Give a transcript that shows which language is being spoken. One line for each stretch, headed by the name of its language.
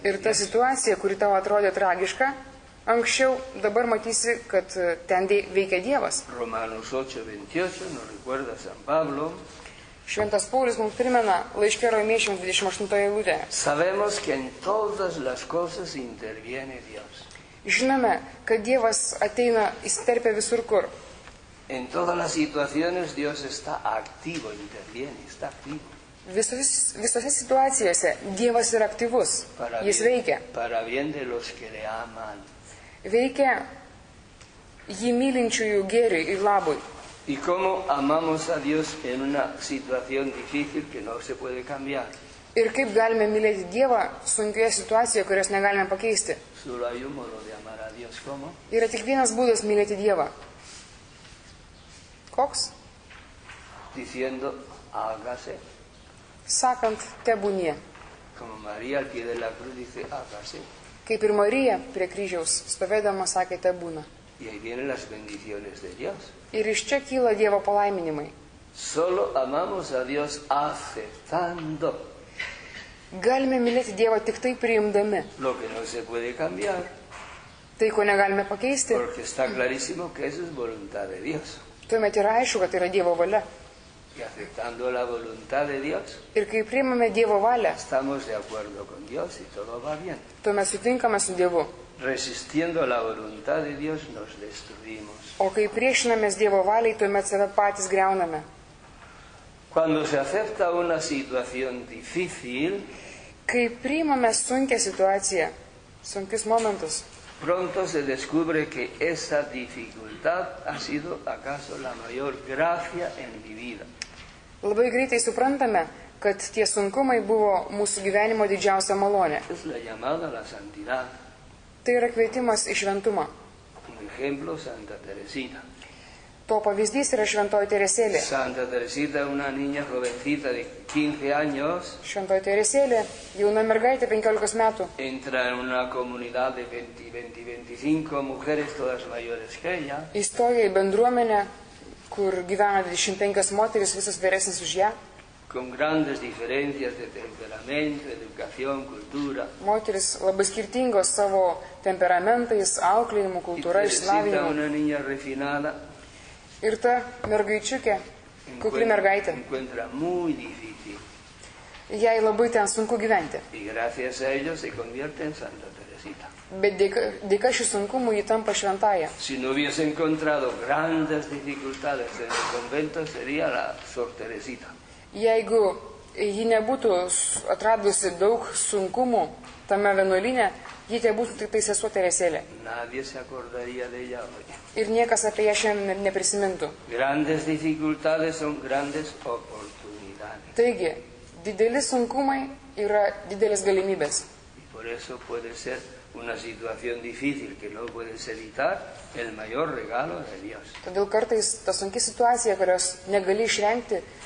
Lithuanian: Ir ta situacija, kuri tau atrodė tragiška, anksčiau dabar matysi, kad ten veikia Dievas.
Spanish: Romanos 8:28, no recuerda San Pablo.
Lithuanian: Šventas Paulius mums primena laiške Romiečiams 28 eilutė.
Spanish: Sabemos que en todas las cosas interviene Dios.
Lithuanian: Žinome, kad Dievas ateina, įsiterpia visur kur.
Spanish: En todas las situaciones Dios está activo, interviene, está activo.
Lithuanian: Visose situacijose Dievas yra aktyvus, jis veikia.
Spanish: Para bien de los que le aman.
Lithuanian: Veikia jį mylinčiųjų gėriui ir labui.
Spanish: Y cómo amamos a Dios en una situación difícil que no se puede cambiar.
Lithuanian: Ir kaip galime mylėti Dievą sunkioje situacijoje, kurios negalime pakeisti.
Spanish: Solo hay un modo de amar a Dios, ¿cómo?
Lithuanian: Yra tik vienas būdas mylėti Dievą. Koks?
Spanish: Diciendo, hágase.
Lithuanian: Sakant, tebūnie.
Spanish: Como María al pie de la cruz dice, hágase.
Lithuanian: Kaip ir Marija prie kryžiaus stovėdama sakė, tebūna.
Spanish: Y ahí vienen las bendiciones de Dios.
Lithuanian: Ir iš čia kyla Dievo palaiminimai.
Spanish: Solo amamos a Dios aceptando.
Lithuanian: Galime mylėti Dievą tik tai priimdami.
Spanish: Lo que no se puede cambiar.
Lithuanian: Tai, ko negalime pakeisti.
Spanish: Porque está clarísimo que eso es voluntad de Dios.
Lithuanian: Tuomet yra aišku, kad yra Dievo valia.
Spanish: Y aceptando la voluntad de Dios.
Lithuanian: Ir kai priimame Dievo valią.
Spanish: Estamos de acuerdo con Dios y todo va bien.
Lithuanian: Tuomet sutinkame su Dievu.
Spanish: Resistiendo la voluntad de Dios nos destruimos.
Lithuanian: O kai priešinamės Dievo valiai, tuomet save patys griauname.
Spanish: Cuando se acepta una situación difícil,
Lithuanian: kai priimame sunkią situaciją, sunkius momentus,
Spanish: pronto se descubre que esa dificultad ha sido acaso la mayor gracia en mi vida.
Lithuanian: Labai greitai suprantame, kad tie sunkumai buvo mūsų gyvenimo didžiausia malonė.
Spanish: Es la llamada a la santidad.
Lithuanian: Tai yra kvietimas į šventumą.
Spanish: Un ejemplo, Santa Teresita.
Lithuanian: To pavyzdys yra Šventoji Teresėlė.
Spanish: Santa Teresita, una niña jovencita de 15 años.
Lithuanian: Šventoji Teresėlė, jauna mergaitė 15 metų.
Spanish: Entra en una comunidad de 20-25 mujeres todas mayores que ella.
Lithuanian: Įstoja į bendruomenę, kur gyvena 25 moteris, visos vyresnės už ją.
Spanish: Con grandes diferencias de temperamento, educación, cultura.
Lithuanian: Moteris labai skirtingos savo temperamentais, auklėjimu, kultūra, išsilavinimu.
Spanish: Una niña refinada.
Lithuanian: Ir ta mergaičiukė, kukli mergaitė.
Spanish: Encuentra muy difícil.
Lithuanian: Jai labai ten sunku gyventi.
Spanish: Y gracias a ello se convierte en Santa Teresita.
Lithuanian: Bet dėka šių sunkumų ji tampa šventaja.
Spanish: Si no hubiese encontrado grandes dificultades en el convento, sería la Sor Teresita.
Lithuanian: Jeigu ji nebūtų atradusi daug sunkumų tame vienuolyne, ji tai būtų tik tai sesuo Teresėlė.
Spanish: Nadie se acordaría de ella hoy.
Lithuanian: Ir niekas apie ją šiandien neprisimintų.
Spanish: Grandes dificultades son grandes oportunidades.
Lithuanian: Taigi, dideli sunkumai yra didelės galimybės.
Spanish: Y por eso puede ser una situación difícil que no puedes evitar el mayor regalo de Dios.
Lithuanian: Todėl kartais ta sunki situacija, kurios negali išvengti,